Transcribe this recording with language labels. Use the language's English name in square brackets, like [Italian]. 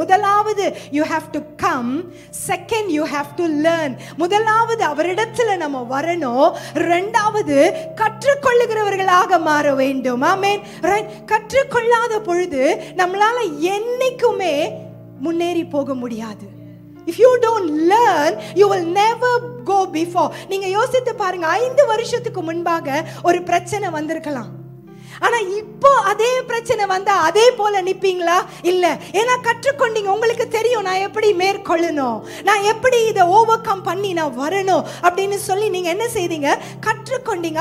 [Tamil] முதலாவது [English] You have to come, second you have to learn. [Tamil] முதலாவது அவரிடத்துல நம்ம வரணும், ரெண்டாவது கற்றுக்கொள்ளுகிறவர்களாக மாற வேண்டும். ஆமென். கற்றுக்கொள்ளாத பொழுது நம்மளால என்னைக்குமே முன்னேறி போக முடியாது. [English] If you don't learn, you will never go before. [Tamil] நீங்க யோசித்து பாருங்க, 5 வருஷத்துக்கு முன்பாக ஒரு பிரச்சனை வந்திருக்கலாம், ஆனா இப்போ அதே பிரச்சனை வந்தா அதே போல நிப்பீங்களா? இல்ல. ஏன்னா கற்றுக்கொண்டீங்க. உங்களுக்கு தெரியும் நான் எப்படி மேற்கொள்ளணும், நான் எப்படி இதை ஓவர் கம் பண்ணி நான் வரணும் அப்படின்னு சொல்லி நீங்க என்ன செய்தீங்க, கற்றுக்கொண்டீங்க.